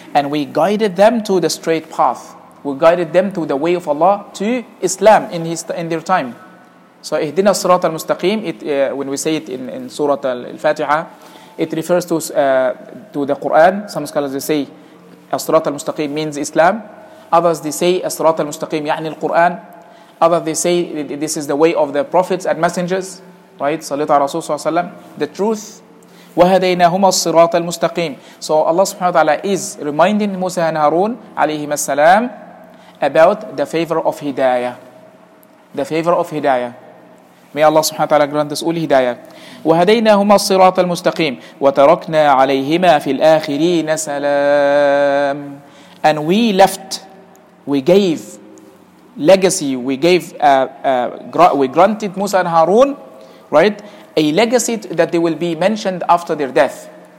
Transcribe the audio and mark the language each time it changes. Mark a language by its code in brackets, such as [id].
[en] And we guided them to the straight path. We guided them to the way of Allah, to Islam in their time. So [ar] اهدنا الصراط المستقيم, [en] when we say it in Surah Al-Fatiha, it refers to the Quran. Some scholars say [ar] الصراط المستقيم [en] means Islam. Others they say [ar] الصراط المستقيم يعني القرآن. [en] Others they say this is the way of the prophets and messengers, right? [ar] صلى الله عليه وسلم, [en] the truth. [ar] وهديناهما الصراط المستقيم. [en] So Allah subhanahu wa ta'ala is reminding Musa and Harun [ar] عليهما السلام [en] about the favor of hidayah, the favor of hidayah. May Allah subhanahu wa ta'ala grant us all hidayah. [ar] وَهَدَيْنَاهُمَا الصِّرَاطَ الْمُسْتَقِيمِ وَتَرَكْنَا عَلَيْهِمَا فِي الْآخِرِينَ سَلَامِ. [en] And we left, we gave legacy, we gave, we granted Musa and Harun, right, a legacy that they will be mentioned after their death.